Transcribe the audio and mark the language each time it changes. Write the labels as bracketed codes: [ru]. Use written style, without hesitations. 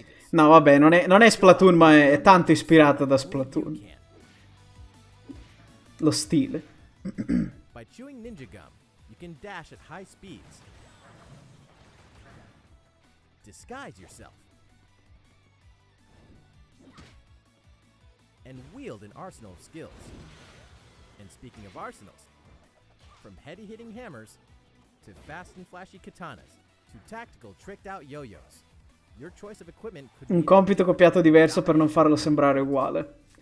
[it] No, vabbè, non è Splatoon, ma è tanto ispirato da Splatoon. Lo stile. [en] By chewing ninja gum, you can dash at high speeds. Disguise yourself and wield an arsenal of skills. And speaking of arsenals, from heavy hitting hammers to fast and flashy katanas to tactical tricked out yo-yos, your choice of equipment could [it] un compito copiato diverso per non farlo sembrare uguale.